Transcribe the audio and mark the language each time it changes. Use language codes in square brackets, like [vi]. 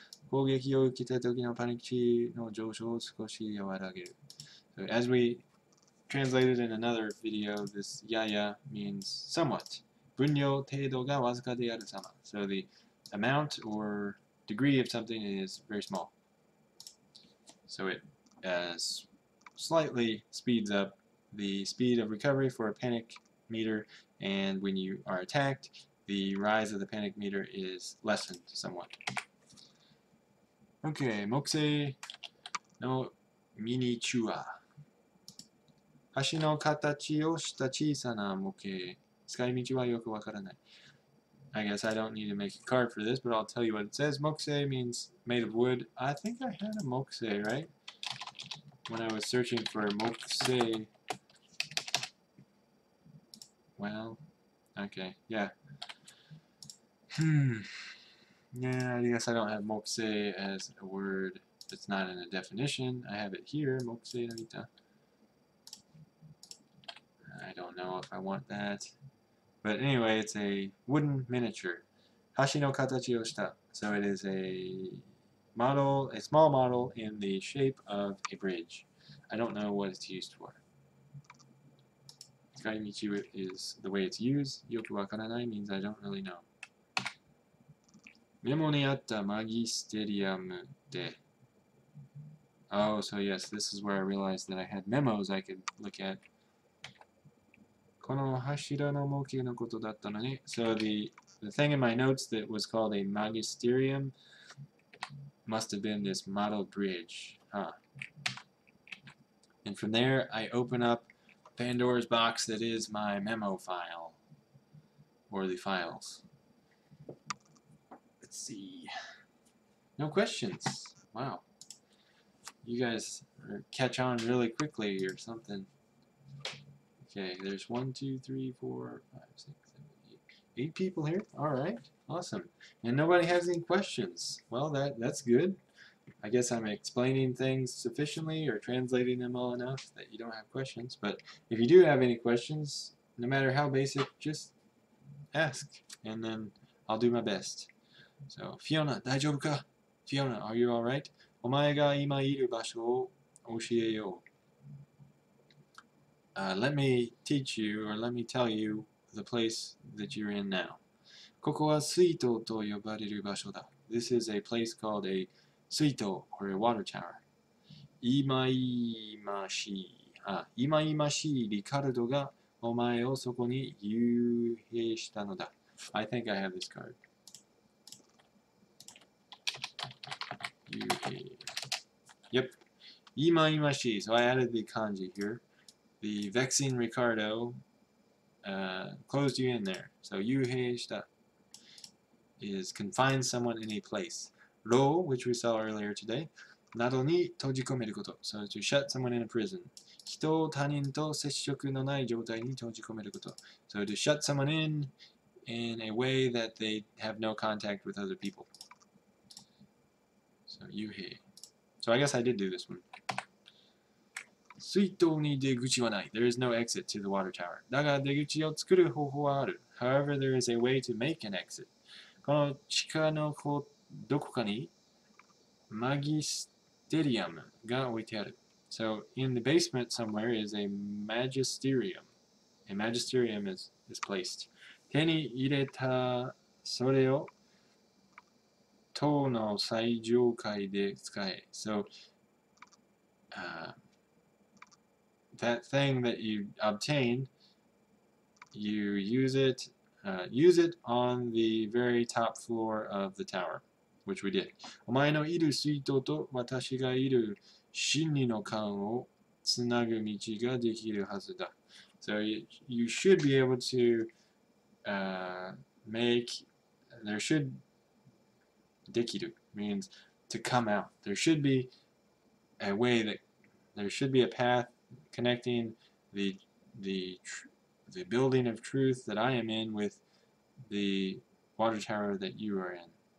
[ja] 攻撃を受けた時のパニック値の上昇を少し和らげる。 [en] So, as we translated in another video, this yaya means somewhat. [ja] 分量程度がわずかである様。 [en] So the amount or degree of something is very small. So it slightly speeds up the speed of recovery for a panic meter, and when you are attacked, the rise of the panic meter is lessened somewhat. [ja] Okay, 木星のミニチュア。橋の形をした小さな模型。使い道はよくわからない。 [en] I guess I don't need to make a card for this, but I'll tell you what it says. 木星 means made of wood. I think I had a 木星, right? When I was searching for 木星. Well, okay, yeah. Yeah, I guess I don't have mokuse as a word. It's not in a definition. I have it here, mokuse narita. I don't know if I want that. But anyway, it's a wooden miniature. [ja] Hashi no katachi o shita. [en] So it is a model, a small model in the shape of a bridge. I don't know what it's used for. Tsukaimichi is the way it's used. [ja] Yoku wakaranai [en] means I don't really know. [ja] メモにあったマギステリアムで。 [en] Oh, so yes, this is where I realized that I had memos I could look at. [ja] この柱の模型のことだったのね。 [en] So the thing in my notes that was called a magisterium must have been this model bridge, huh? And from there, I open up Pandora's box that is my memo file, or the files. Let's see. No questions. Wow. You guys catch on really quickly or something. Okay, there's 1, 2, 3, 4, 5, 6, 7, 8 people here. All right. Awesome. And nobody has any questions. Well, that's good. I guess I'm explaining things sufficiently or translating them well enough that you don't have questions. But if you do have any questions, no matter how basic, just ask, and then I'll do my best. So, Fiona, [ja] 大丈夫か? [en] Fiona, are you alright? [ja] お前が今いる場所を教えよう。 [en] Let me teach you, or let me tell you, the place that you're in now. [ja] ここは水筒と呼ばれる場所だ。 [en] This is a place called a 水筒, or a water tower. [ja] 今いましい、リカルドがお前をそこに幽閉したのだ。 [en] I think I have this card. [ja] 幽閉。Yep. 今いましい。 [en] So I added the kanji here. The vexing Ricardo closed you in there. So [ja] 幽閉した [en] is confine someone in a place. [ja] ろ, [en] which we saw earlier today, [ja] などに閉じ込めること。 [en] So to shut someone in a prison. [ja] 人を他人と接触のない状態に閉じ込めること。 [en] So to shut someone in a way that they have no contact with other people. So you hear. So I guess I did do this one. [ja] 水筒に出口はない。 [en] There is no exit to the water tower. [ja] だが出口を作る方法はある。 [en] However, there is a way to make an exit. [ja] この地下のどこかにマギステリアムが置いてある。 [en] So, in the basement somewhere is a magisterium. A magisterium is placed. [ja] 手に入れたそれを塔の最上階で使え。 [en] So, that thing that you obtain, you use it on the very top floor of the tower, which we did. [ja] お前のいる水筒と私がいる真理の缶をつなぐ道ができるはずだ。 [en] So you should be able to make, there should, できる means to come out. There should be a way that, there should be a path connecting the building of truth that I am in with the water tower that you are in.